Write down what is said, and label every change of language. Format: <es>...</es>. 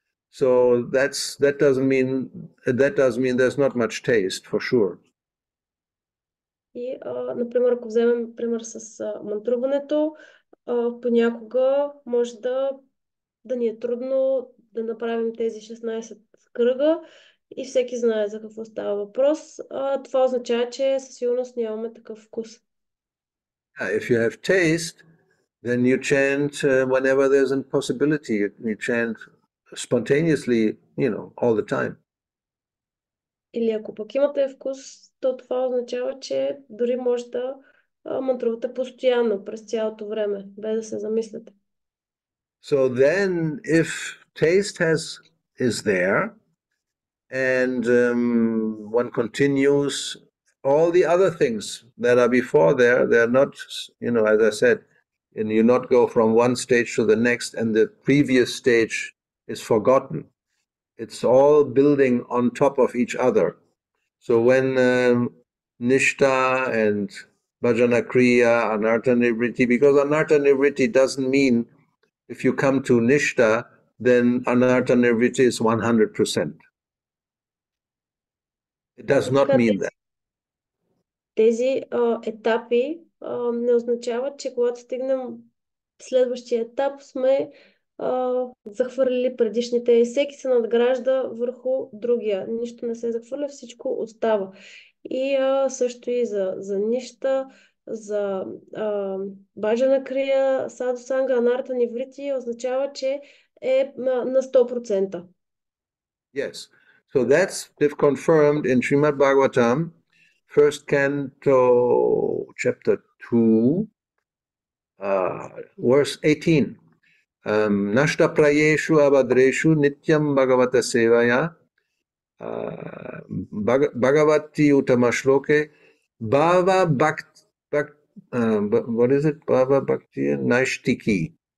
<en>So that doesn't mean there's not much taste, for sure.</en> <bg>И, например, ако вземем пример с мантруването, понякога може да ни е трудно да направим тези 16 кръга. И всеки знае за какво става въпрос. Това означава, че със сигурност нямаме такъв вкус.</bg> <en>If you have taste, then you chant whenever there's a possibility. You chant spontaneously, you know, all the time.</en> <bg>Или ако пък имате вкус, то това означава, че дори може да мантрувате постоянно през цялото време, без да се замислите.</bg> <en>So then, if taste is there, and one continues all the other things that are before there, they're not, you know, as I said, and you not go from one stage to the next and the previous stage is forgotten. It's all building on top of each other. So when Nishta and Bhajana Kriya, Anartha Nivritti, because Anartha Nivritti doesn't mean if you come to Nishta, then Anartha Nivritti is 100%. It does not mean that.</en> <bg>Тези етапи не означават, че когато стигнем следващия етап, сме захвърлили предишните и всеки се надгражда върху другия. Нищо не се захвърля, всичко остава. И също и за нища, за Баджана Крия, Саду Санга, Анарта Нивритти означава, че е на 100%.</bg> <en>Yes. So that's confirmed in Srimad Bhagavatam. First canto, chapter 2, verse 18.</en> <sa>Nashta prayeshu abhadreshu nityam bhagavata sevaya bhagavati utamashloke bhava bhava bhakti naishtiki.</sa>